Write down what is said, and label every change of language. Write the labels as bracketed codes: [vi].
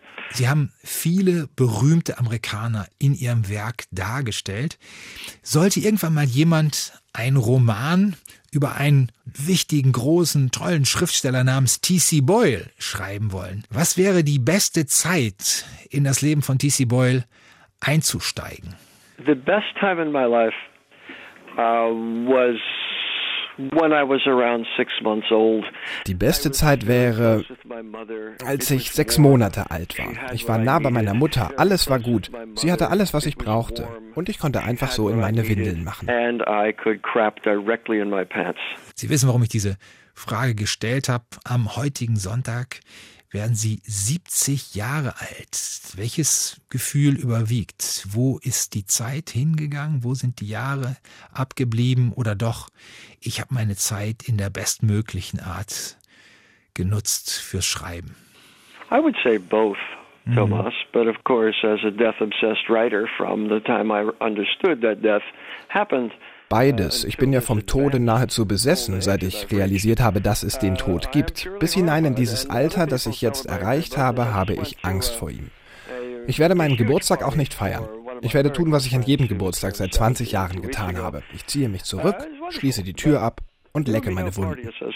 [de] Sie haben viele berühmte Amerikaner in Ihrem Werk dargestellt. Sollte irgendwann mal jemand einen Roman über einen wichtigen, großen, tollen Schriftsteller namens T.C. Boyle schreiben wollen, was wäre die beste Zeit, in das Leben von T.C. Boyle einzusteigen? [en] The best time in my life was when I was around 6 months old. [de] Die beste Zeit wäre, als ich 6 Monate alt war. Ich war nah bei meiner Mutter, alles war gut. Sie hatte alles, was ich brauchte. Und ich konnte einfach so in meine Windeln machen. Sie wissen, warum ich diese Frage gestellt habe am heutigen Sonntag. werden Sie 70 Jahre alt. Welches Gefühl überwiegt? Wo ist die Zeit hingegangen? Wo sind die Jahre abgeblieben? Oder doch, ich habe meine Zeit in der bestmöglichen Art genutzt fürs Schreiben? [en] I would say both. Thomas, but of course, as a death-obsessed writer, from the time I understood that death happened. [de] Beides. Ich bin ja vom Tode nahezu besessen, seit ich realisiert habe, dass es den Tod gibt. Bis hinein in dieses Alter, das ich jetzt erreicht habe, habe ich Angst vor ihm. Ich werde meinen Geburtstag auch nicht feiern. Ich werde tun, was ich an jedem Geburtstag seit 20 Jahren getan habe. Ich ziehe mich zurück, schließe die Tür ab und lecke meine Wunden.